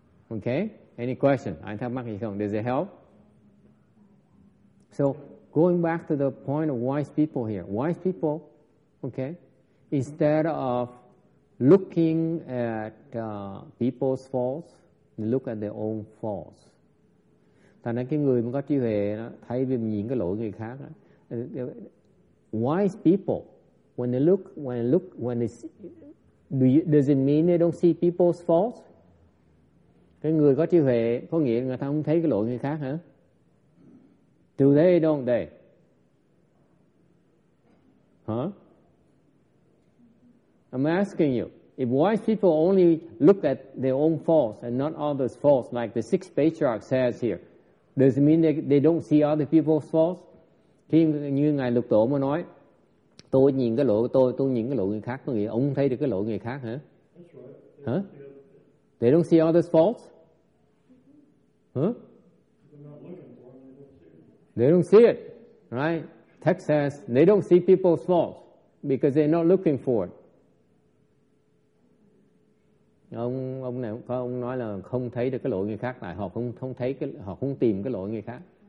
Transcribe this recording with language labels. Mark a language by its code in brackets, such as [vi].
[en] Okay, any question? [vi] Anh thắc mắc gì không? [en] Does it help? So, going back to the point of wise people here. Wise people, okay, instead of looking at people's faults, they look at their own faults. [vi] Thành ra cái người mà có trí huệ đó, thay vì nhìn cái lỗi người khác đó, [en] wise people, does it mean they don't see people's faults? [vi] Cái người có trí huệ có nghĩa là người ta không thấy cái lỗi người khác hả? [en] Do they don't they? Huh? I'm asking you, if wise people only look at their own faults and not others' faults, like the sixth patriarch says here, does it mean they don't see other people's faults? [vi] Khi như ngài Lục Tổ mà nói, tôi nhìn cái lỗi của tôi nhìn cái lỗi người khác, có nghĩa ông thấy được cái lỗi người khác hả? [en] That's right. They don't see others' faults? Huh? They're not looking for it. They don't see it, right? Text says they don't see people's faults because they're not looking for it. [vi] Ông này có ông nói là không thấy được cái lỗi người khác, tại họ không thấy cái, họ không tìm cái lỗi người khác.